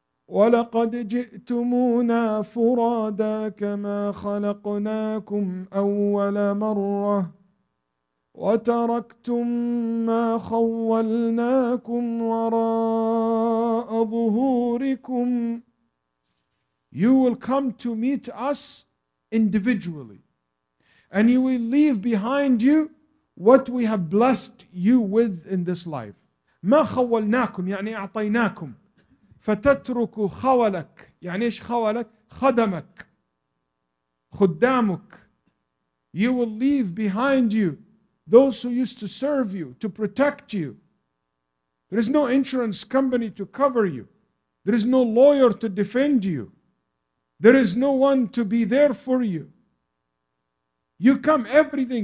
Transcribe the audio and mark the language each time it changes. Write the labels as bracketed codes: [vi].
[ar] وَلَقَدْ جِئْتُمُونَا فُرَادَى كَمَا خَلَقْنَاكُمْ أَوَّلَ مَرَّةٍ وَتَرَكْتُمْ مَا خَوَّلْنَاكُمْ وَرَاءَ ظُهُورِكُمْ. [en] You will come to meet us individually, and you will leave behind you what we have blessed you with in this life. [ar] مَا خَوَّلْنَاكُمْ يعني أعطيناكم. فتترك خولك يعني ايش خولك خدمك خدامك. [en] You will leave behind you those who used to serve you, to protect you. There is no insurance company to cover you. There is no lawyer to defend you. There is no one to be there for you. You come everything.